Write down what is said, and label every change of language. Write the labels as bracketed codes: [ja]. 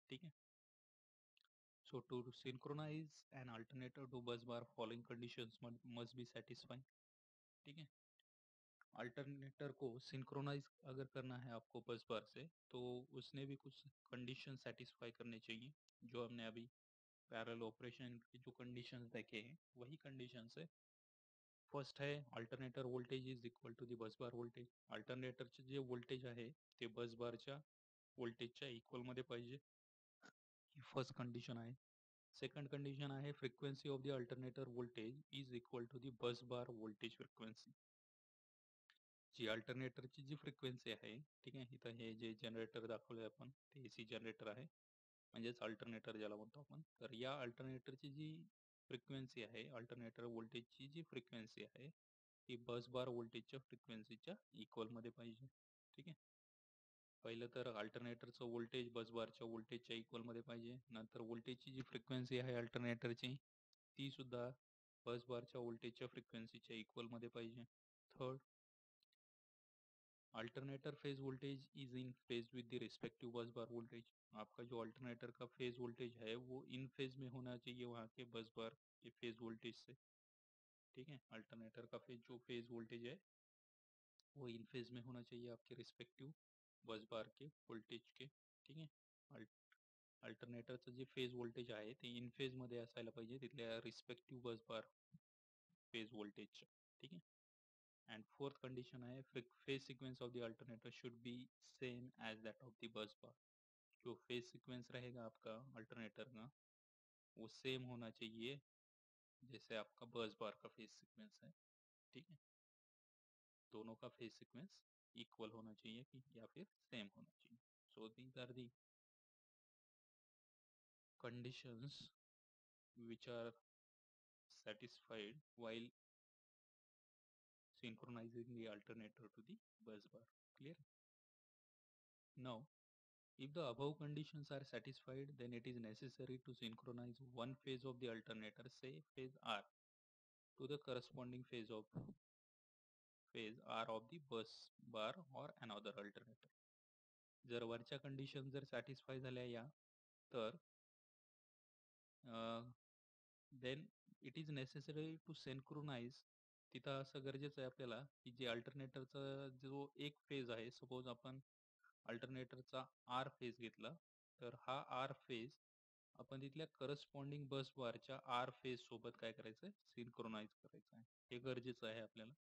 [en] ठीक है, so to synchronize an alternator to bus bar following conditions must be satisfying. [hi] ठीक है, अल्टरनेटर को सिंक्रोनाइज अगर करना है आपको बस बार से, तो उसने भी कुछ कंडीशन सेटिस्फाई करने चाहिए। जो हमने अभी पैरेलल ऑपरेशन के जो कंडीशन देखे हैं वही कंडीशन है। [mr] फर्स्ट है [en] alternator voltage is equal to the bus bar voltage, [mr] alternator चे जे वोल्टेज आहे ते बस बारच्या वोल्टेजच्या इक्वल मध्ये पाहिजे, फर्स्ट कंडिशन आहे। सेकंड कंडिशन आहे [en] Frequency of the alternator voltage is equal to the bus bar voltage frequency. [mr] G अल्टरनेटरची G frequency आहे, ठीक आहे, इथं हे जे जनरेटर दाखवले आपण ते एसी जनरेटर आहे, म्हणजेच अल्टरनेटर ज्याला म्हणतो आपण. तर या अल्टरनेटरची जी फ्रिक्वेन्सी आहे, अल्टरनेटर व्होल्टेजची जी फ्रिक्वेन्सी आहे, ती बस बार व्होल्टेजच्या फ्रिक्वेन्सीच्या इक्वलमध्ये पाहिजे. ठीक आहे, पहिलं तर अल्टरनेटरचं व्होल्टेज बस बारच्या व्होल्टेजच्या इक्वलमध्ये पाहिजे, नंतर व्होल्टेजची जी फ्रिक्वेन्सी आहे अल्टरनेटरची ती सुद्धा बस बारच्या व्होल्टेजच्या फ्रिक्वेन्सीच्या इक्वलमध्ये पाहिजे. [en] Third, alternator phase voltage is in phase with the respective bus bar voltage. [hi] आपका जो अल्टरनेटर का फेज वोल्टेज है वो इन फेज में होना चाहिए वहाँ के बस बार के फेज वोल्टेज से. ठीक है, अल्टरनेटर का फेज जो फेज वोल्टेज है वो इन फेज में होना चाहिए आपके रिस्पेक्टिव बस बार के वोल्टेज के. [mr] ठीक है, अल्टरनेटरचं जे फेज वोल्टेज आहे ते इन फेज मध्ये असायला पाहिजे तिथल्या रिस्पेक्टिव बस बार फेज वोल्टेज. ठीक आहे, [en] And fourth condition आहे phase sequence of the alternator should be same as that of the bus bar. [hi] जो फेज सिक्वेन्स रहेगा आपका अल्टरनेटर का वो सेम होना चाहिए जैसे आपका बस बार का फेज सिक्वेंस है. ठीक है, दोनों का फेज सिक्वेंस इक्वल होना चाहिए कि या फिर सेम होना चाहिए. [en] So these are the conditions which are satisfied while synchronizing the alternator to the bus bar. Clear. Now if the above conditions are satisfied then it is necessary to synchronize one phase of the alternator से phase R to the corresponding phase of phase R of the bus bar or another alternator. [mr] जर वरच्या condition जर satisfy झाल्या या तर [en] Then it is necessary to synchronise. [mr] तिथं असं गरजेचं आहे आपल्याला की जे अल्टरनेटरचा जो एक फेज आहे, सपोज आपण अल्टरनेटरचा आर फेज घेतला तर हा आर फेज आपण तिथल्या करस्पॉन्डिंग बस बारच्या आर फेज सोबत काय करायचं सिंक्रोनाइज करायचं आहे, हे गरजेचं आहे आपल्याला.